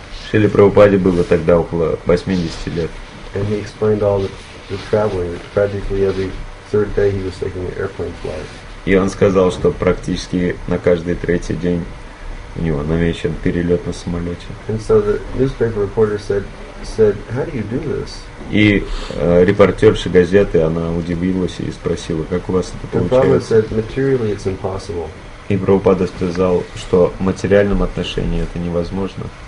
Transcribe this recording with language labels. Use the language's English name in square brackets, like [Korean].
[Russian] Шриле Прабхупаде было тогда около 80 лет. [English] And he explained all the traveling, that practically every third day he was taking an airplane flight. [Russian] И он сказал, что практически на каждый третий день у него намечен перелет на самолете. [English] And so the newspaper reporter said, "How do you do this?" [Russian] И репортерша газеты, она удивилась и спросила, как у вас это получается? [English] And Prabhupada said, "Materially it's impossible." [Russian] И Прабхупада сказал, что в материальном отношении это невозможно.